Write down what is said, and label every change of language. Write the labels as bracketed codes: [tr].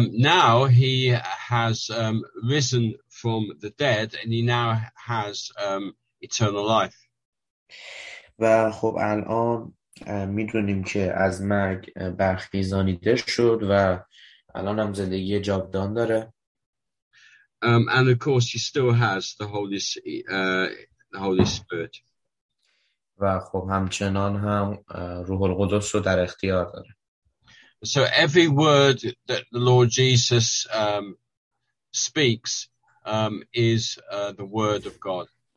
[en] Now he has risen from the dead and he now has eternal life. [fa] و خب الان میدونیم که از مرگ برخیزانیده شد و الان هم زندگی جاودان داره. [en] And of course he still has the Holy Spirit. [fa] و خب همچنان هم روح القدس رو در اختیار داره. [en] So every word that the Lord Jesus speaks is the word of God.